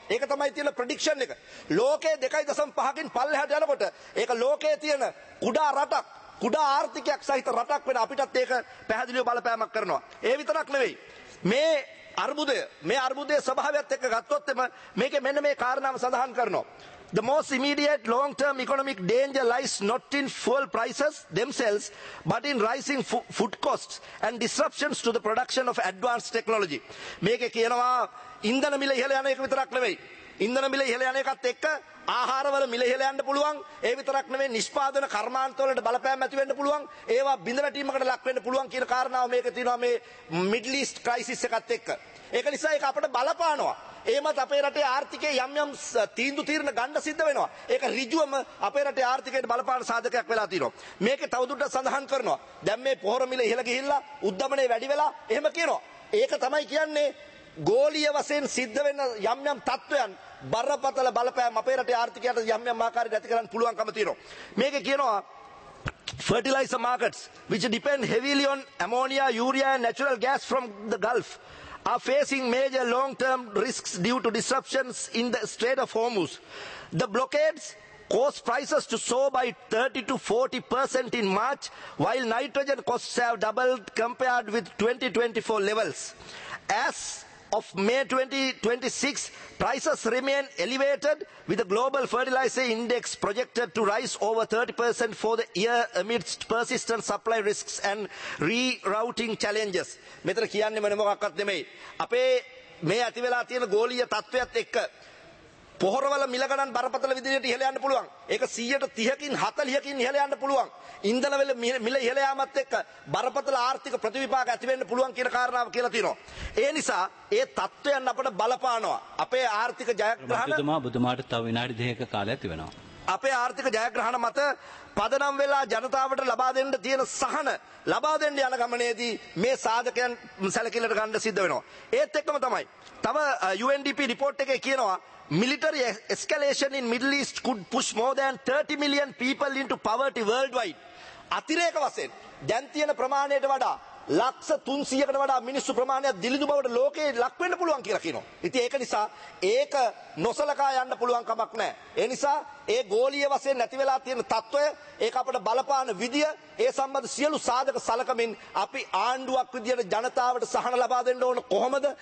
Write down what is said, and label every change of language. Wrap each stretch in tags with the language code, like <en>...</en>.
<si>ඒක තමයි තියෙන prediction එක. ලෝකයේ 2.5%කින් පල්ලෙහාට යනකොට ඒක ලෝකයේ තියෙන කුඩා රටක් කුඩා ආර්ථිකයක් සහිත රටක් වෙන අපිටත් ඒක පැහැදිලිව බලපෑමක් කරනවා. ඒ විතරක් නෙවෙයි මේ අර්බුදයේ ස්වභාවයත් එක්ක ගත්තොත් මේක මෙන්න මේ කාරණාව සඳහන් කරනවා.</si> <en>The most immediate long-term economic danger lies not in fuel prices themselves, but in rising food costs and disruptions to the production of advanced technology.</en> <si>මේක කියනවා ඉන්ධන මිල ඉහළ යන එක විතරක් නෙවෙයි. ඉන්ධන මිල ඉහළ යන එකත් එක්ක ආහාරවල මිල ඉහළ යන්න පුළුවන්. ඒ විතරක් නෙවෙයි නිෂ්පාදන කර්මාන්තවලට බලපෑම් ඇති වෙන්න පුළුවන්. ඒවා බිඳ වැටීමකට ලක් වෙන්න පුළුවන් කියන කාරණාව මේක තියෙනවා මේ Middle East crisis එකත් එක්ක. ඒක නිසා ඒක අපිට බලපානවා. ඒමත් අපේ රටේ ආර්ථිකයේ යම් යම් තීන්දුව తీරන ගන්න සිද්ධ වෙනවා. ඒක ඍජුවම අපේ රටේ ආර්ථිකයට බලපාන සාධකයක් වෙලා තියෙනවා. මේකේ තවදුරටත් සඳහන් කරනවා. දැන් මේ පොහොර මිල ඉහළ ගිහිල්ලා උද්දමනේ වැඩි වෙලා එහෙම කියනවා. ඒක තමයි කියන්නේ ගෝලීය වශයෙන් සිද්ධ වෙන යම් යම් තත්වයන් බරපතල බලපෑම් අපේ රටේ ආර්ථිකයට යම් යම් ආකාරයකට ඇති කරන්න පුළුවන්කම තියෙනවා. මේකේ කියනවා</si> <en>fertilizer markets which depend heavily on ammonia, urea and natural gas from the Gulf are facing major long-term risks due to disruptions in the Strait of Hormuz. The blockades caused prices to soar by 30% to 40% in March, while nitrogen costs have doubled compared with 2024 levels. As of May 2026, prices remain elevated, with the global fertilizer index projected to rise over 30% for the year amidst persistent supply risks and rerouting challenges.</en> <si>මෙතන කියන්නේ මොන මොකක්වත් නෙමෙයි. අපේ මේ ඇති වෙලා තියෙන ගෝලීය තත්ත්වයත් එක්ක පොහොරවල මිල ගණන් බරපතල විදිහට ඉහළ යන්න පුළුවන්. ඒක 30%කින් 40%කින් ඉහළ යන්න පුළුවන්. ඉන්ධන වල මිල ඉහළ යාමත් එක්ක බරපතල ආර්ථික ප්‍රතිවිපාක ඇති වෙන්න පුළුවන් කියන කාරණාව කියලා තියෙනවා. ඒ නිසා ඒ තත්ත්වයන් අපට බලපානවා. අපේ ආර්ථික ජයග්‍රහණ බුදුමාට තව විනාඩි 2ක කාලයක් තිබෙනවා. අපේ ආර්ථික ජයග්‍රහණ මත පදනම් වෙලා ජනතාවට ලබා දෙන්න තියෙන සහන ලබා දෙන්න යන ගමනේදී මේ සාධකයන් සැලකිල්ලට ගන්න සිද්ධ වෙනවා. ඒත් එක්කම තමයි තව UNDP report එකේ කියනවා</si> <en>military escalation in Middle East could push more than 30 million people into poverty worldwide.</en> <si>අතිරේක වශයෙන් දැන් තියෙන ප්‍රමාණයට වඩා ලක්ෂ 300කට වඩා මිනිස්සු ප්‍රමාණයක් දිලිඳු බවට ලෝකේ ලක් වෙන්න පුළුවන් කියලා කියනවා. ඉතින් ඒක නිසා ඒක නොසලකා යන්න පුළුවන් කමක් නැහැ. ඒ නිසා ඒ ගෝලීය වශයෙන් නැති වෙලා තියෙන තත්වය ඒක අපිට බලපාන විදිය ඒ සම්බන්ධ සියලු සාධක සලකමින් අපි ආණ්ඩුවක් විදියට ජනතාවට සහන ලබා දෙන්න ඕන කොහොමද?</si>